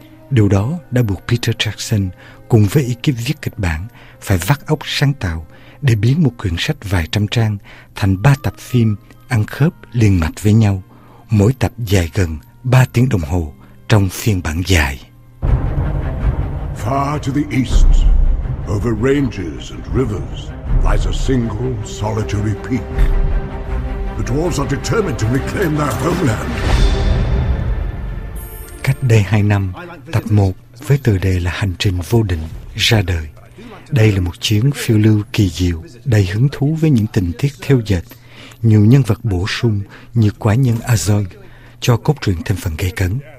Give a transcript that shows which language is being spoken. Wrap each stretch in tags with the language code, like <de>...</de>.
<vi>Điều đó đã buộc Peter Jackson cùng với ekip viết kịch bản phải vắt óc sáng tạo để biến một quyển sách vài trăm trang thành 3 tập phim ăn khớp liền mạch với nhau, mỗi tập dài gần 3 tiếng đồng hồ trong phiên bản dài.</vi> <en>Far to the east, over ranges and rivers, lies a single solitary peak. The dwarves are determined to reclaim their homeland.</en> <vi>Cách đây 2 năm, tập 1 với tựa đề là Hành Trình Vô Định ra đời. Đây là một chuyến phiêu lưu kỳ diệu, đầy hứng thú với những tình tiết theo dệt, nhiều nhân vật bổ sung như quái nhân Azog cho cốt truyện thêm phần gay cấn.</vi>